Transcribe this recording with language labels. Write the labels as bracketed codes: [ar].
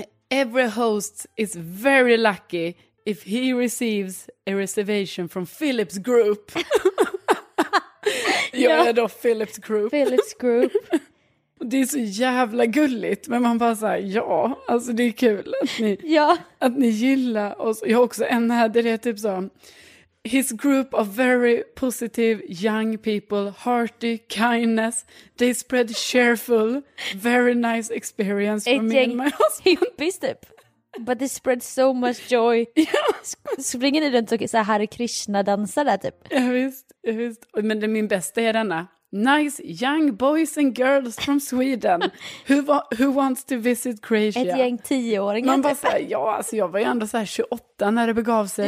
[en] Every host is very lucky if he receives a reservation from Philips Group. [sv] Jag är då Philips Group. Philips Group. Det är så jävla gulligt. Men man bara såhär, ja, alltså det är kul att ni, ja, att ni gillar oss. Jag har också en här, det är typ så. [en] His group of very positive young people, hearty, kindness. They spread cheerful, very nice experience for me and my husband. [sv] Hippies typ. [en] But they spread so much joy. [sv] Ja. Springer ni runt och så här Hare Krishna dansar där typ? Ja visst, ja visst. Men det är min bästa är denna. [en] Nice young boys and girls from Sweden. Who wants to visit Croatia? [sv] Ett gäng 10-åringar. Man bara såhär, ja, alltså jag var ju ändå såhär 28 när det begav sig.